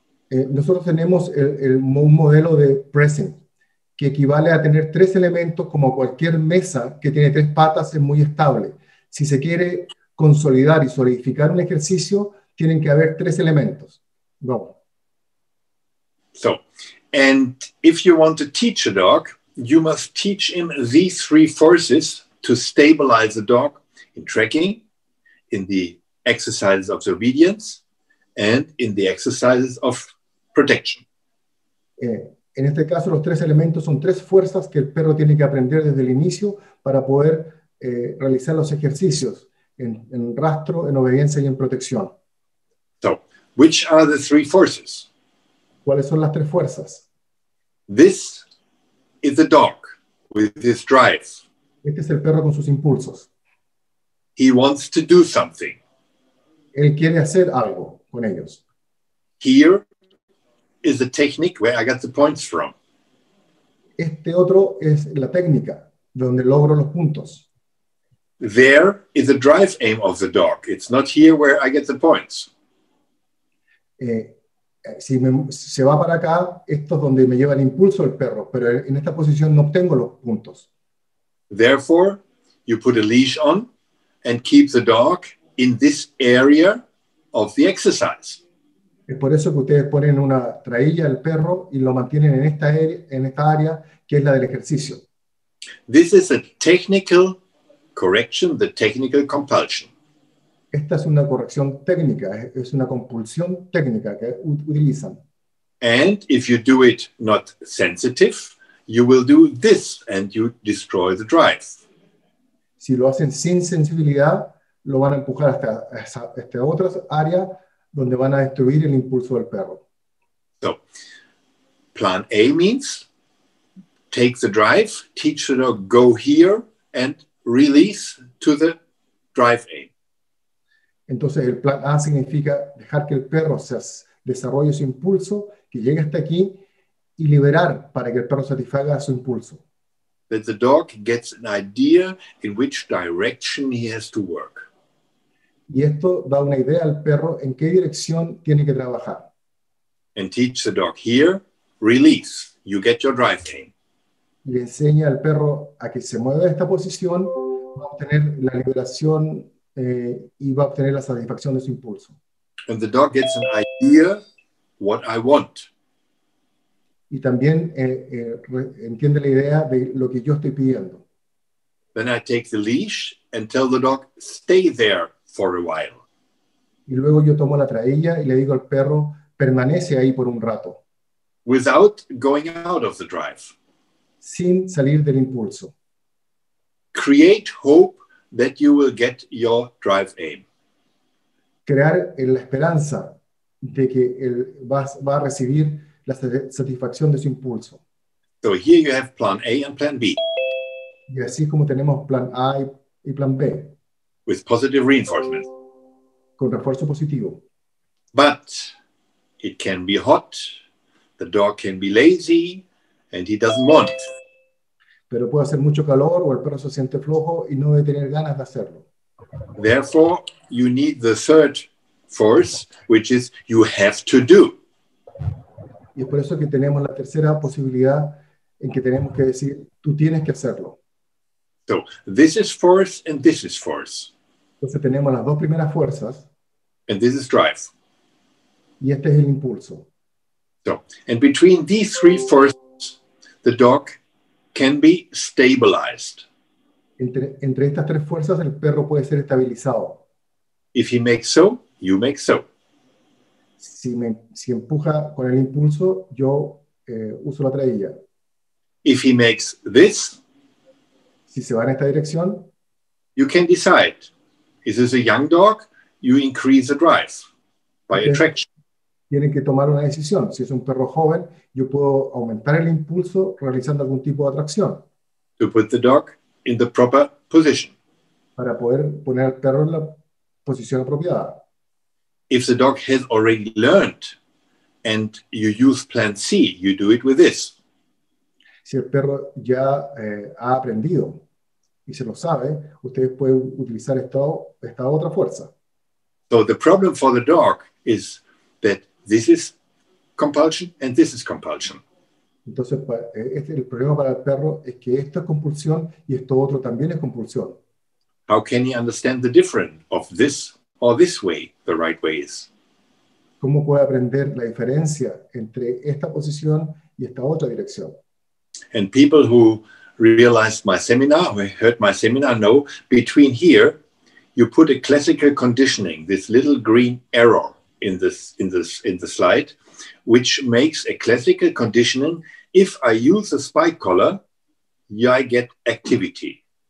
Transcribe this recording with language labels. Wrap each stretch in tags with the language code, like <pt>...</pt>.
<es>Nosotros tenemos un modelo de pressing que equivale a tener tres elementos. Como cualquier mesa que tiene tres patas, es muy estable. Si se quiere consolidar y solidificar un ejercicio, tienen que haber tres elementos.</es> <en>Go. So, and if you want to teach a dog, you must teach him these three forces to stabilize the dog in tracking, in the exercises of obedience, and in the exercises of protection.</en> <es>En este caso, los tres elementos son tres fuerzas que el perro tiene que aprender desde el inicio para poder realizar los ejercicios en rastro, en obediencia y en protección.</es> <en>So, which are the three forces?</en> <es>¿Cuáles son las tres fuerzas?</es> <en>This is the dog with his drive.</en> <es>Este es el perro con sus impulsos.</es> <en>He wants to do something.</en> <es>Él quiere hacer algo con ellos.</es> <en>Here is the technique where I got the points from.</en> <es>Este otro es la técnica donde logro los puntos.</es> <en>There is the drive aim of the dog. It's not here where I get the points.</en> <es>Si se va para acá, esto es donde me lleva el impulso el perro, pero en esta posición no obtengo los puntos.</es> <en>Therefore, you put a leash on and keep the dog in this area of the exercise.</en> <es>Es por eso que ustedes ponen una trailla al perro y lo mantienen en esta área que es la del ejercicio.</es> <en>This is a technical correction, the technical compulsion.</en> <es>Esta es una corrección técnica, es una compulsión técnica que utilizan.</es> <en>And if you do it not sensitive, you will do this and you destroy the drive.</en> <es>Si lo hacen sin sensibilidad, lo van a empujar hasta esta otra área donde van a destruir el impulso del perro.</es> <en>So, plan A means take the drive, teach the dog go here and release to the drive aim.</en> <es>Entonces el plan A significa dejar que el perro desarrolle su impulso, que llegue hasta aquí y liberar para que el perro satisfaga su impulso.</es> <en>That the dog gets an idea in which direction he has to work.</en> <es>Y esto da una idea al perro en qué dirección tiene que trabajar.</es> <en>And teach the dog here, release, you get your drive aim.</en> <es>Y le enseña al perro a que se mueva de esta posición, va a obtener la liberación y va a obtener la satisfacción de su impulso.</es> <en>And the dog gets an idea what I want.</en> <es>Y también entiende la idea de lo que yo estoy pidiendo.</es> <en>Then I take the leash and tell the dog, stay there for a while.</en> <es>Y luego yo tomo la trailla y le digo al perro, permanece ahí por un rato.</es> <en>Without going out of the drive.</en> <es>Sin salir del impulso.</es> <en>Create hope that you will get your drive aim.</en> <es>Crear la esperanza de que él va a recibir la satisfacción de su impulso.</es> <en>So here you have plan A and plan B.</en> <es>Y así como tenemos plan A y plan B.</es> <en>With positive reinforcement.</en> <es>Con refuerzo positivo.</es> <en>But it can be hot, the dog can be lazy, and he doesn't want it.</en> <es>Pero puede hacer mucho calor o el perro se siente flojo y no debe tener ganas de hacerlo.</es> <en>Therefore, you need the third force, which is you have to do.</en> <es>Y es por eso que tenemos la tercera posibilidad en que tenemos que decir, tú tienes que hacerlo.</es> <en>So, this is force and this is force.</en> <es>Entonces tenemos las dos primeras fuerzas.</es> <en>And this is drive.</en> <es>Y este es el impulso.</es> <en>So, and between these three forces, the dog can be stabilized.</en> <es>Entre estas tres fuerzas, el perro puede ser estabilizado.</es> <en>If he makes so, you make so.</en> <es>Si empuja con el impulso, yo uso la trailla.</es> <en>If he makes this,</en> <es>si se va en esta dirección,</es> <en>you can decide. Is this a young dog? You increase the drive by attraction.</en> <es>Tienen que tomar una decisión. Si es un perro joven, yo puedo aumentar el impulso realizando algún tipo de atracción.</es> <en>To put the dog in the proper position.</en> <es>Para poder poner al perro en la posición apropiada.</es> <en>If the dog has already learned and you use plan C, you do it with this.</en> <es>Si el perro ya ha aprendido y se lo sabe, ustedes pueden utilizar esta otra fuerza.</es> <en>So the problem for the dog is that this is compulsion and this is compulsion.</en> <es>Entonces, el problema para el perro es que esto es compulsión y esto otro también es compulsión.</es> <en>How can he understand the difference of this or this way, the right way is?</en> <es>¿Cómo puede aprender la diferencia entre esta posición y esta otra dirección?</es> <en>And people who realized my seminar, who heard my seminar, know between here, you put a classical conditioning, this little green arrow in the slide, which makes a classical conditioning. If I use a spike collar, I get activity.</en>